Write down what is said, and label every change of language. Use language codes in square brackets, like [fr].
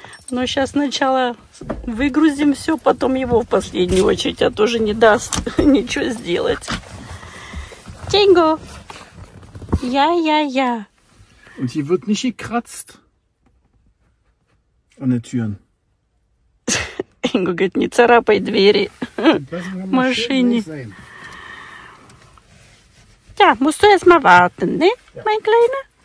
[ru] Но сейчас сначала выгрузим все, потом его в последнюю очередь, а тоже не даст ничего сделать. Тинго! Я. [de] Und hier wird nicht gekratzt an den Türen. [ru] Инго говорит, не царапай двери в машине. [de] Ja, musst du erst mal warten, ne, mein Kleiner?